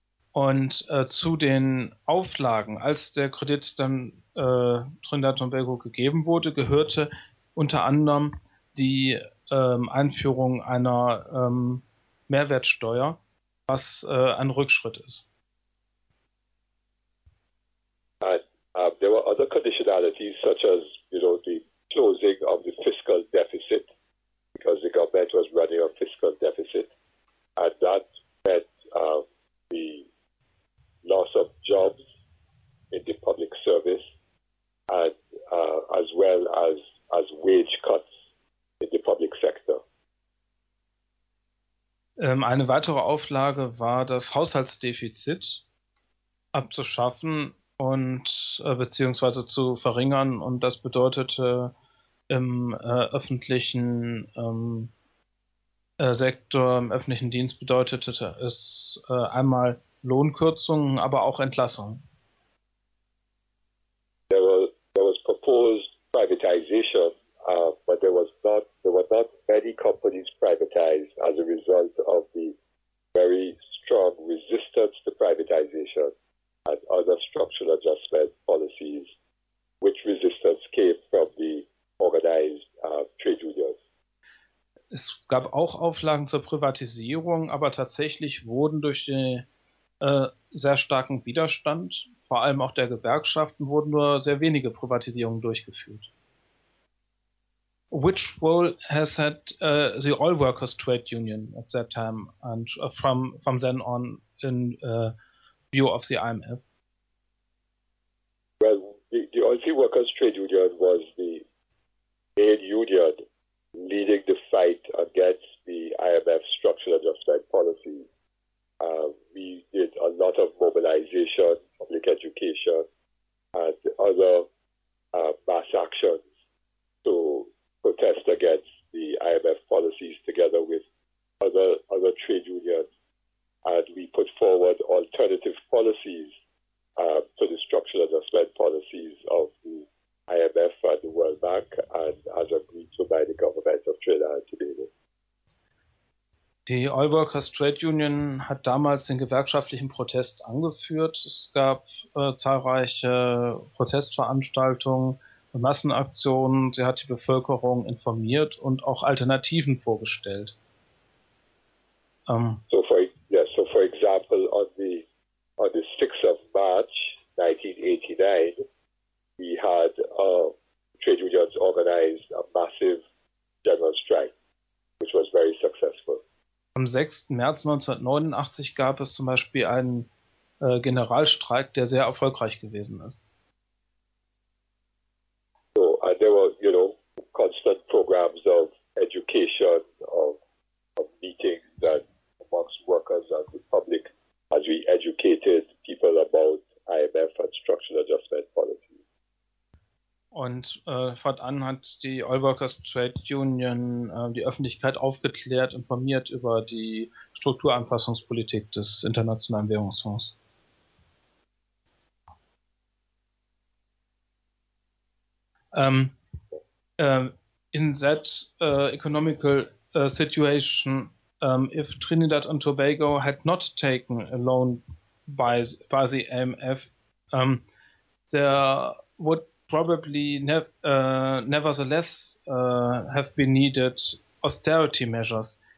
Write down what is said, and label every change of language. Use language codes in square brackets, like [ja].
[de] Und zu den Auflagen, als der Kredit dann Trinidad Tobago gegeben wurde, gehörte unter anderem die Einführung einer Mehrwertsteuer, was ein Rückschritt ist. [en] There were other conditionalities, such as, you know, the closing of the fiscal deficit, because the government was running a fiscal deficit, and that meant the loss of jobs in the public service, and as well as wage cuts in the public sector. [de] Eine weitere Auflage war, das Haushaltsdefizit abzuschaffen und beziehungsweise zu verringern, und das bedeutete im öffentlichen Sektor, im öffentlichen Dienst bedeutete es einmal Lohnkürzungen, aber auch Entlassungen. [en] There was proposed privatization, but there were not many companies privatized as a result of the very strong resistance to privatization and other structural adjustment policies, which resistance came from the organized trade unions. [de] Es gab auch Auflagen zur Privatisierung, aber tatsächlich wurden durch den sehr starken Widerstand, vor allem auch der Gewerkschaften, wurden nur sehr wenige Privatisierungen durchgeführt. [en] Which role has had the oil workers trade union at that time and from then on in view of the IMF? Well, the oil seed workers trade union was the main union leading the fight against the IMF structural adjustment policy. We did a lot of mobilization, public education, and other mass actions to protest against the IMF policies together with other trade unions. And we put forward alternative policies to the structural adjustment policies of the IMF and the World Bank, and as agreed to by the government of Trinidad and Tobago. [de] Die Oil Workers Trade Union hat damals den gewerkschaftlichen Protest angeführt. Es gab zahlreiche Protestveranstaltungen, Massenaktionen. Sie hat die Bevölkerung informiert und auch Alternativen vorgestellt. [en] So for example, on the 6th of March 1989, we had trade unions organized a massive general strike, which was very successful. [de] Am 6. März 1989 gab es zum Beispiel einen Generalstreik, der sehr erfolgreich gewesen ist. [en] So, and there were, you know, constant programs of education, of meetings that amongst workers and the public, as we educated people about IMF and structural adjustment policy. [de] Und fortan hat die Oil Workers Trade Union die Öffentlichkeit aufgeklärt, informiert über die Strukturanpassungspolitik des Internationalen Währungsfonds. [en] In that economical situation, if Trinidad and Tobago had not taken a loan by the IMF, there would probably nevertheless have been needed austerity measures.